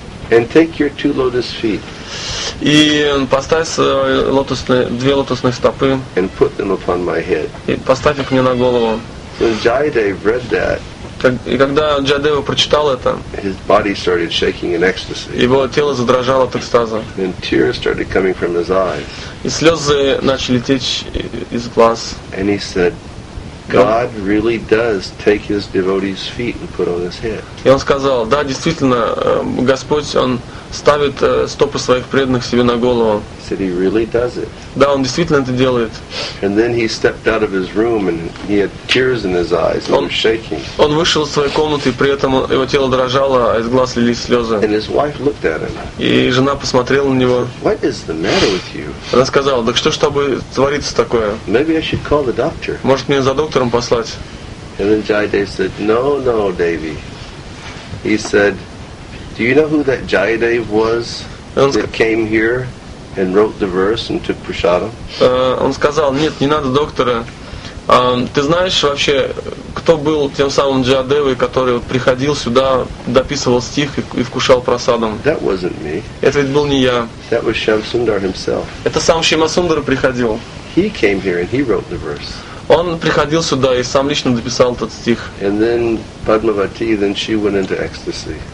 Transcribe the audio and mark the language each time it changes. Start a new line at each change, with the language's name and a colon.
English: And take your two lotus feet.
Russian: И поставь свои лотосные, две лотосных стопы.
English: And put them upon my head.
Russian: И поставь их мне на голову.
English: So Jayadev read that.
Russian: И когда Джайдева прочитал это,
English: his body started shaking in ecstasy.
Russian: Его тело задрожало от экстаза.
English: And tears started coming from his eyes.
Russian: И слезы начали течь из глаз.
English: And he said, God really does take his devotee's feet and put on his head.
Russian: И он сказал: "Да, действительно, Господь он ставит стопы своих преданных себе на голову."
English: Said he really does it.
Russian: Да, он действительно это делает.
English: And then he stepped out of his room and he had tears in his eyes and he was shaking.
Russian: Он вышел из своей комнаты, при этом его тело дрожало, а из глаз лились слёзы.
English: And his wife looked at him.
Russian: И жена посмотрела на него.
English: What is the matter with you?
Russian: Она сказала: "Так что ж тобой творится такое?"
English: Maybe I should call the doctor.
Russian: Может, мне за доктором послать?
English: And then Jayadev said, "No, Devi." He said, "Do you know who that Jayadev was that came here and wrote the verse and took prasadam?"
Russian: Он сказал: "Нет, не надо доктора. Ты знаешь вообще, кто был тем самым Джайдевой, который вот приходил сюда, дописывал стих и вкушал прасадам?"
English: That wasn't me.
Russian: Это ведь был не я.
English: That was Shyamasundara himself.
Russian: Это сам Шьямасундара приходил.
English: He came here and he wrote the verse.
Russian: Он приходил сюда и сам лично дописал этот стих.
English: And then Padmavati, then she went into ecstasy.